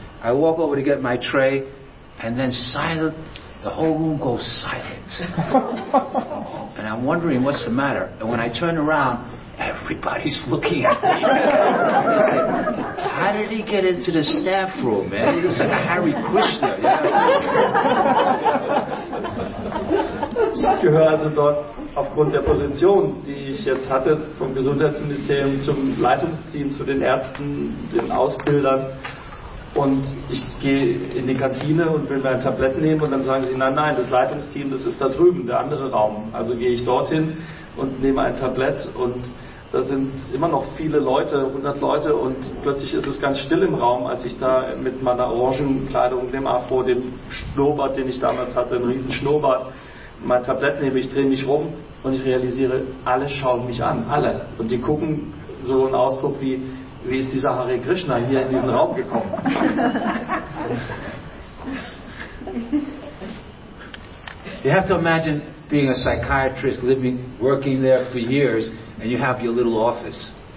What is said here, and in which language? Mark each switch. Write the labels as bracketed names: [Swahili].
[English] I walk over to get my tray, and then silent, the whole room goes silent. And I'm wondering, what's the matter? And when I turn around, everybody's looking at me. How did he get into the staff room, man? He looks like a Hare Krishna. [German] Ich gehöre also dort aufgrund der Position, die ich jetzt hatte, vom Gesundheitsministerium zum Leitungsteam, zu den Ärzten, den Ausbildern. Und ich gehe in die Kantine und will mir ein Tablett nehmen und dann sagen sie, nein, nein, das Leitungsteam, das ist da drüben, der andere Raum. Also gehe ich dorthin und nehme ein Tablett und da sind immer noch viele Leute, 100 Leute und plötzlich ist es ganz still im Raum, als ich da mit meiner orangen Kleidung, dem Afro, dem Schnurrbart, den ich damals hatte, einen riesen Schnurrbart, mein Tablett nehme, ich drehe mich rum und ich realisiere, alle schauen mich an, alle. Und die gucken so einen Ausdruck wie, wie ist dieser Hare Krishna hier in diesen Raum gekommen? [English] You have to imagine being a psychiatrist living, working there for years and you have your little office.